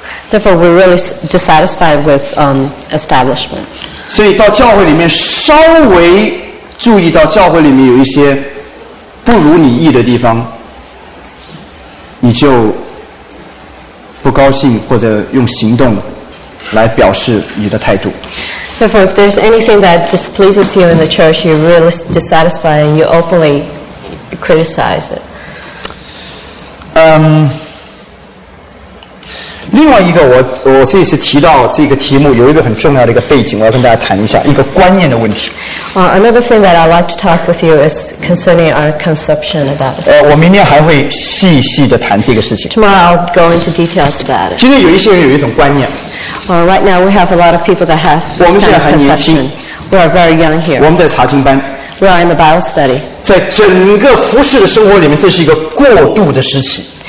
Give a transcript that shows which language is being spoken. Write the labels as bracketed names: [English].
[English] Therefore, we're really dissatisfied with establishment. [Chinese] 所以到教会里面稍微注意到教会里面有一些不如你意的地方，你就不高兴或者用行动来表示你的态度。 [English] Therefore, if there's anything that displeases you in the church, you're really dissatisfied and you openly criticize it. [Chinese] 另外一个我这次提到这个题目有一个很重要的一个背景，我要跟大家谈一下一个观念的问题。 [English] Another thing that I'd like to talk with you is concerning our conception about. [Chinese] 我明天还会细细的谈这个事情。 [English] Tomorrow I'll go into details about it. [Chinese] 今天有一些人有一种观念。 [English] Right now we have a lot of people that have. [Chinese] 我们现在还年轻。 [English] We are very young here. [Chinese] 我们在查经班。 [English] We are in the Bible study. [Chinese] 在整个服事的生活里面，这是一个过渡的时期。